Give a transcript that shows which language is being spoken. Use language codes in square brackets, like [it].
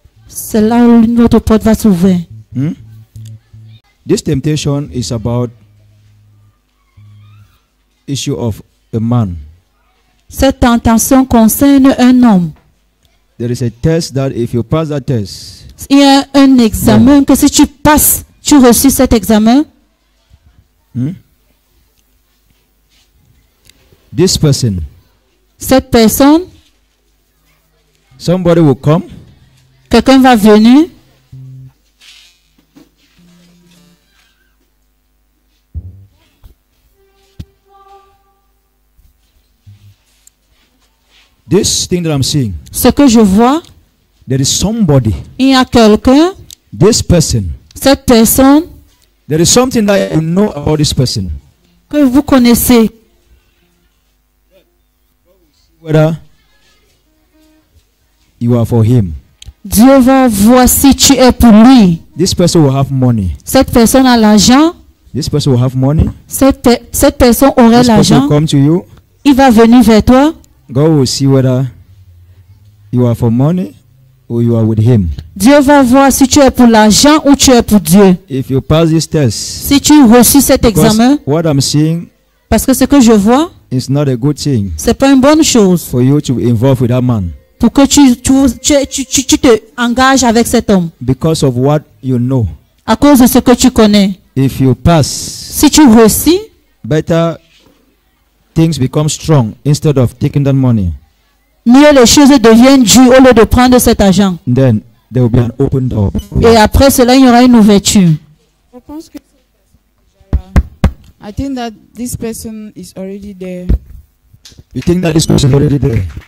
[fr] C'est là où une autre porte va s'ouvrir. [en] This temptation is about issue of a man. [fr] Cette tentation concerne un homme. [en] There is a test that if you pass that test. [fr] Il y a un examen que si tu passes, tu reçois cet examen. [en] This person. [fr] Cette personne. [en] Somebody will come. [fr] Quelqu'un va venir. [en] This thing that I'm seeing. [fr] Ce que je vois. [en] There is somebody. [fr] Il y a quelqu'un. [en] This person. [fr] Cette personne. [en] There is something that you know about this person. [fr] Que vous connaissez. [en] Whether you are for him. [fr] Dieu va voir si tu es pour lui. [en] This person will have money. [fr] Cette personne a l'argent. [en] This person will have money. [fr] Cette personne aurait [en] this [fr] l'argent. [en] Person will come to you. [fr] Il va venir vers toi. [en] God will see whether you are for money or you are with him. [fr] Dieu va voir si tu es pour l'argent ou tu es pour Dieu. [en] If you pass this test, [fr] si tu reçois cet examen, [en] what I'm seeing, [fr] parce que ce que je vois, [en] it's not a good thing. [fr] C'est pas une bonne chose. [en] For you to be involved with that man. [fr] Pour que tu te engages avec cet homme. [en] Because of what you know. [fr] À cause de ce que tu connais. [en] If you pass, [fr] si tu réussis, [en] better things become strong instead of taking that money. [fr] Mieux les choses deviennent dures au lieu de prendre cet argent. [en] Then there will be an open door. [fr] Et après cela, il y aura une ouverture. [en] I think that this person is already there. You think that this person is already there?